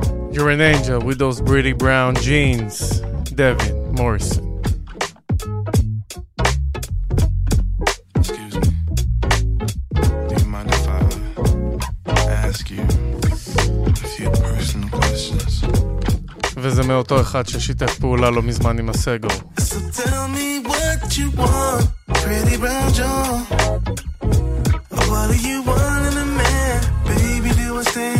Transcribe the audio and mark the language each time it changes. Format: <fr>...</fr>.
<en>You're an angel with those pretty brown jeans, Devin Morrison. Excuse me. Do you mind if I ask you a few personal questions?</en> <he>וזה מאותו אחד ששיתף פעולה לא מזמן עם הסגו.</he> <en>So tell me what you want, pretty brown jaw. What do you want in a man, baby, do I stand?</en>